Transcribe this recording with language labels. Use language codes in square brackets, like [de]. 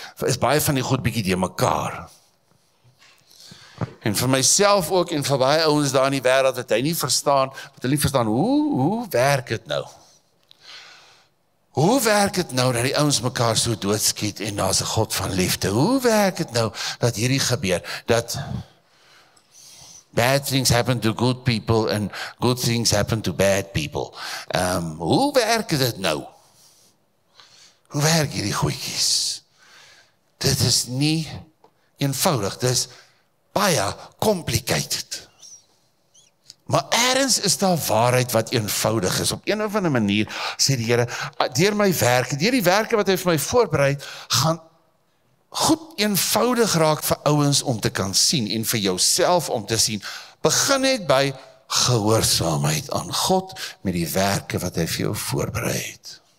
[af] Is baie van die goed bietjie te mekaar. En vir myself ook en vir baie ouens daar in die wêreld wat hy nie verstaan, wat hulle nie verstaan hoe werk dit nou? Hoe werk dit nou dat die ouens mekaar so doodskiet en daar's 'n God van liefde? Hoe werk dit nou dat hierdie gebeur? Dat [en] bad things happen to good people and good things happen to bad people. [af] Hoe werk dit nou? Hoe werk hierdie goedjies? Dit is nie eenvoudig, dit is baie complicated. Maar ergens is daar waarheid wat eenvoudig is. Op een of ander manier sê die Here, deur my werke, deur die werke wat hy vir my voorberei, gaan goed eenvoudig raak vir ouens om te kan sien en vir jouself om te sien. Begin net by gehoorsaamheid aan God met die werke wat hy vir jou voorberei het.